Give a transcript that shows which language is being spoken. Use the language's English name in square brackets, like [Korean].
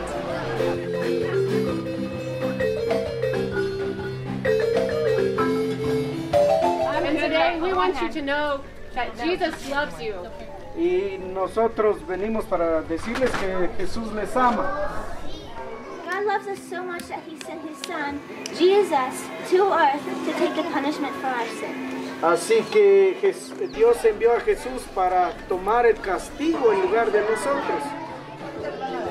[English] And today we want you to know that Jesus loves you. [Spanish] Y nosotros venimos para decirles que Jesús les ama. [English] God loves us so much that He sent His Son, Jesus, to earth to take the punishment for our sin. [Spanish] Así que Dios envió a Jesús para tomar el castigo en lugar de nosotros.